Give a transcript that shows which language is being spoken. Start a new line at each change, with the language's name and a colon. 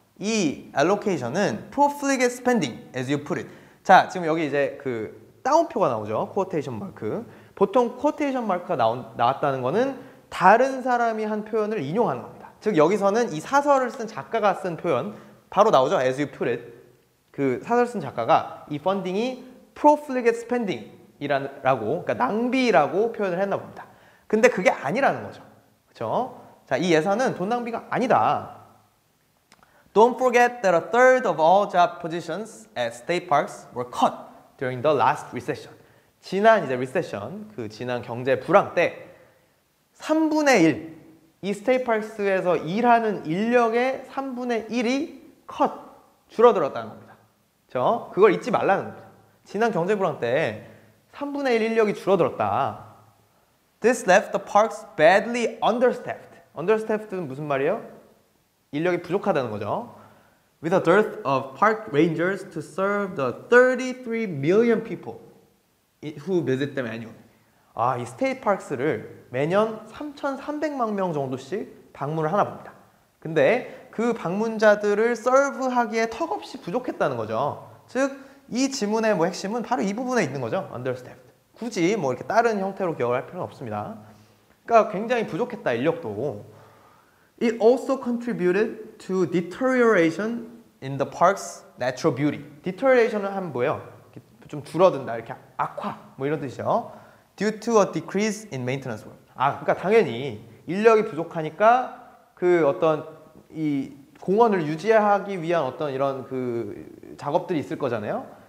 English: 이 allocation은 profligate spending, as you put it.
Korean: 자, 지금 여기 이제 그 따옴표가 나오죠. quotation mark. 보통 quotation mark가 나왔다는 거는 다른 사람이 한 표현을 인용하는 겁니다. 즉, 여기서는 이 사설을 쓴 작가가 쓴 표현, 바로 나오죠.
English: as you put it.
Korean: 그 사설 쓴 작가가 이 funding이 profligate spending 이라고, 그러니까 낭비라고 표현을 했나 봅니다. 근데 그게 아니라는 거죠. 그쵸? 자, 이 예산은 돈 낭비가 아니다.
English: Don't forget that a third of all job positions at state parks were cut during the last recession.
Korean: 지난 이제 recession, 그 지난 경제 불황 때 3분의 1, 이 state parks에서 일하는 인력의 3분의 1이 cut, 줄어들었다는 겁니다. 그쵸? 그걸 잊지 말라는 겁니다. 지난 경제 불황 때 3분의 1 인력이 줄어들었다.
English: This left the parks badly understaffed. Understaffed는
Korean: 무슨 말이에요? 인력이 부족하다는 거죠.
English: With a dearth of park rangers to serve the 33 million people who visit them annually.
Korean: 아, 이 스테이트 파크스를 매년 3,300만 명 정도씩 방문을 하나 봅니다. 근데 그 방문자들을 서브하기에 턱없이 부족했다는 거죠. 즉, 이 지문의 뭐 핵심은 바로 이 부분에 있는 거죠.
English: Understaffed.
Korean: 굳이 뭐 이렇게 다른 형태로 기억을 할 필요는 없습니다. 그러니까 굉장히 부족했다, 인력도.
English: It also contributed to deterioration in the park's natural beauty.
Korean: Deterioration은 뭐예요? 좀 줄어든다, 이렇게 악화, 뭐 이런 뜻이죠.
English: Due to a decrease in maintenance work.
Korean: 아, 그러니까 당연히 인력이 부족하니까 그 어떤 이 공원을 유지하기 위한 어떤 이런 그 작업들이 있을 거잖아요.